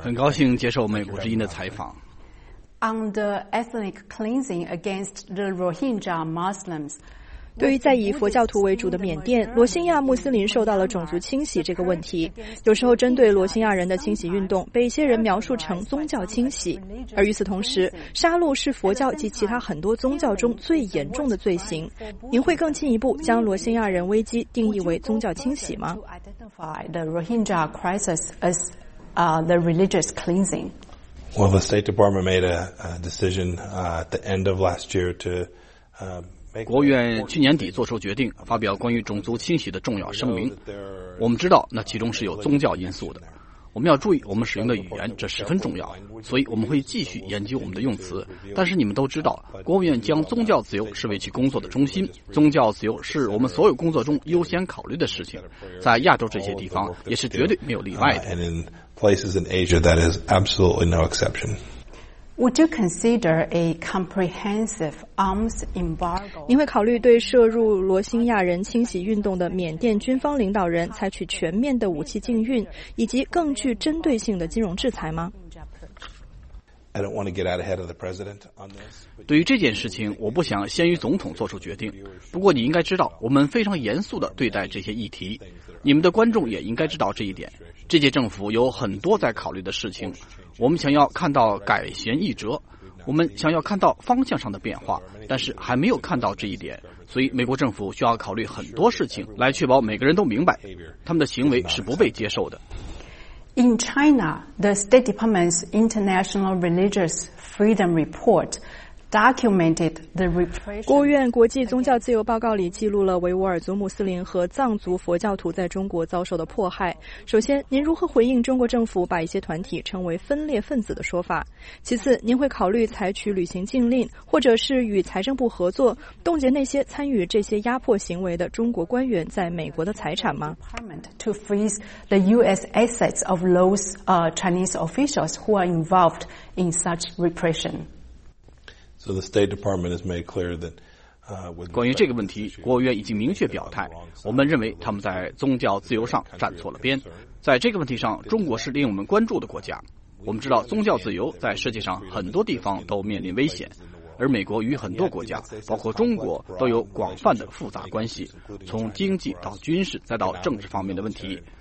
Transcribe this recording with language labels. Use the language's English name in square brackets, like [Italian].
[Chinese] 很高兴接受美国之音的采访。 [English] On the ethnic cleansing against the Rohingya Muslims. [Chinese] 对于在以佛教徒为主的缅甸，罗兴亚穆斯林受到了种族清洗这个问题，有时候针对罗兴亚人的清洗运动被一些人描述成宗教清洗，而与此同时，杀戮是佛教及其他很多宗教中最严重的罪行。您会更进一步将罗兴亚人危机定义为宗教清洗吗？ [English] The Rohingya crisis as the religious cleansing. Well, the State Department made a decision at the end of last year to [Chinese] 国务院去年底做出决定，发表关于种族清洗的重要声明。我们知道那其中是有宗教因素的，我们要注意我们使用的语言，这十分重要，所以我们会继续研究我们的用词。但是你们都知道，国务院将宗教自由视为其工作的中心，宗教自由是我们所有工作中优先考虑的事情，在亚洲这些地方也是绝对没有例外的。 [English] And in places in Asia that is absolutely no exception. Would you consider a comprehensive arms embargo? [Chinese] 您会考虑对涉入罗兴亚人清洗运动的缅甸军方领导人采取全面的武器禁运，以及更具针对性的金融制裁吗？ [English] I don't want to get out ahead of the president on this. [Chinese] 对于这件事情，我不想先于总统做出决定。不过你应该知道，我们非常严肃地对待这些议题。你们的观众也应该知道这一点。这届政府有很多在考虑的事情，我们想要看到改弦易辙，我们想要看到方向上的变化，但是还没有看到这一点，所以美国政府需要考虑很多事情来确保每个人都明白他们的行为是不被接受的。 [English] In China, the State Department's International Religious Freedom Report documented the repression. [Chinese] 国务院国际宗教自由报告里记录了维吾尔族穆斯林和藏族佛教徒在中国遭受的迫害。首先，您如何回应中国政府把一些团体称为分裂分子的说法？其次，您会考虑采取旅行禁令，或者是与财政部合作，冻结那些参与这些压迫行为的中国官员在美国的财产吗？ [English] To freeze the U.S. assets of those Chinese officials who are involved in such repression. So the State Department has made clear that, [Chinese] 关于这个问题，国务院已经明确表态，我们认为他们在宗教自由上站错了边。在这个问题上，中国是令我们关注的国家。我们知道宗教自由在世界上很多地方都面临危险，而美国与很多国家，包括中国，都有广泛的复杂关系，从经济到军事再到政治方面的问题。